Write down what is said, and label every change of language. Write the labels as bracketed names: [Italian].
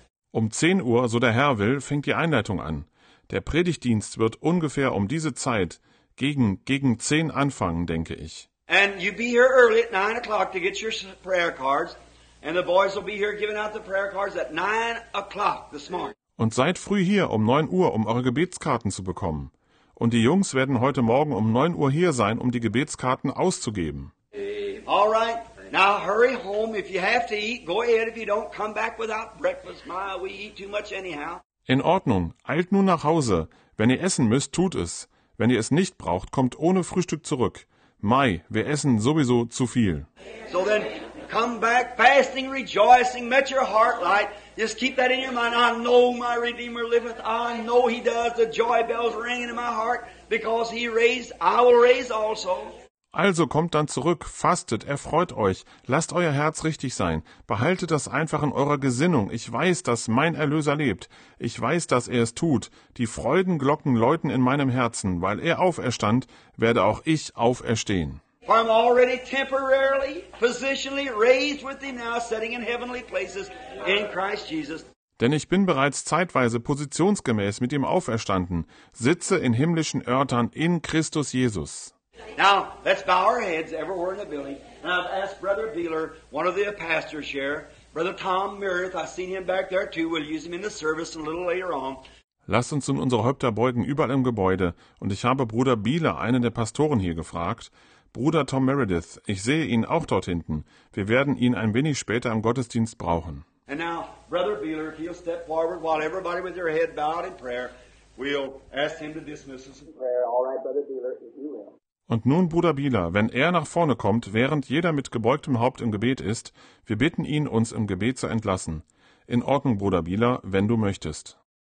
[German] Um 10 Uhr, so der Herr will, fängt die Einleitung an. Der Predigtdienst wird ungefähr um diese Zeit gegen 10 anfangen, denke ich. [English] And you be here early at 9 o'clock to get your prayer cards, and the boys will be here giving out the prayer cards at 9 o'clock this morning. [German] Und seid früh hier um 9 Uhr, um eure Gebetskarten zu bekommen. Und die Jungs werden heute Morgen um 9 Uhr hier sein, um die Gebetskarten auszugeben. [English] All right. Now hurry home. If you have to eat, go ahead. If you don't, come back without breakfast. My, we eat too much anyhow. [German] In Ordnung. Eilt nun nach Hause. Wenn ihr essen müsst, tut es. Wenn ihr es nicht braucht, kommt ohne Frühstück zurück. Mai, wir essen sowieso zu viel. [English] So then, come back fasting, rejoicing, met your heart light. Just keep that in your mind. I know my Redeemer liveth. I know he does. The joy bells ringing in my heart. Because he raised, I will raise also. [German] Also kommt dann zurück, fastet, erfreut euch, lasst euer Herz richtig sein, behaltet das einfach in eurer Gesinnung. Ich weiß, dass mein Erlöser lebt. Ich weiß, dass er es tut. Die Freudenglocken läuten in meinem Herzen. Weil er auferstand, werde auch ich auferstehen. [English] For I'm already temporarily, positionally raised with thee now, sitting in heavenly places in Christ Jesus. [German] Denn ich bin bereits zeitweise positionsgemäß mit ihm auferstanden, sitze in himmlischen Örtern in Christus Jesus. [English] Now, let's bow our heads everywhere in the building. And I've asked Brother Beeler, one of the pastors here, Brother Tom Meredith, I've seen him back there too, we'll use him in the service a little later on. [German] Lasst uns nun unsere Häupter beugen überall im Gebäude. Und ich habe Bruder Beeler, einen der Pastoren hier, gefragt. Bruder Tom Meredith, ich sehe ihn auch dort hinten. Wir werden ihn ein wenig später im Gottesdienst brauchen. [English] And now, Brother Beeler, if you'll step forward while everybody with your head bowed in prayer, we'll ask him to dismiss us in prayer. All right, Brother Beeler, if you will. [German] Und nun, Bruder Beeler, wenn er nach vorne kommt, während jeder mit gebeugtem Haupt im Gebet ist, wir bitten ihn, uns im Gebet zu entlassen. In Ordnung, Bruder Beeler, wenn du möchtest.